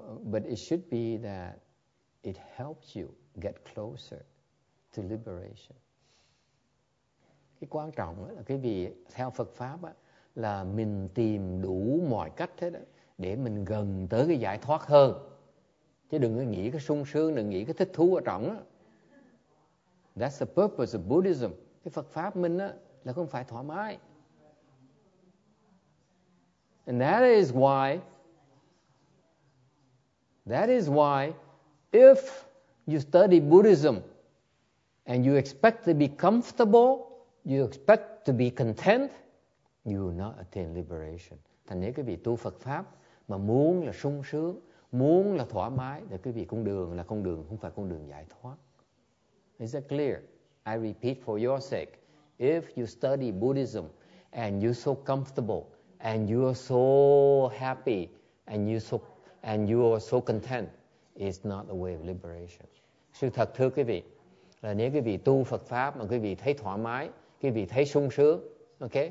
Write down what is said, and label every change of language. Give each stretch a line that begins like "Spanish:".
English: But it should be that it helps you get closer to liberation.
Vietnamese: Cái quan trọng là cái vì theo Phật pháp á, là mình tìm đủ mọi cách hết á để mình gần tới cái giải thoát hơn. Chứ đừng có nghĩ cái sung sướng, đừng nghĩ cái thích thú ở trong đó.
English: That's the purpose of Buddhism.
Vietnamese: Cái Phật Pháp mình đó, là không phải thoải mái.
English: And that is why if you study Buddhism and you expect to be comfortable, you expect to be content, you will not attain liberation.
Vietnamese: Thành ra cái vị tu Phật Pháp mà muốn là sung sướng, muốn là thoải mái, thì cái vị con đường là con đường, không phải con đường giải thoát.
English: Is that clear? I repeat for your sake. If you study Buddhism and you're so comfortable and you are so happy and you are so content, it's not the way of liberation.
Vietnamese: Sự thật thưa quý vị, là nếu quý vị tu Phật Pháp mà quý vị thấy thoải mái, quý vị thấy sung sướng, ok?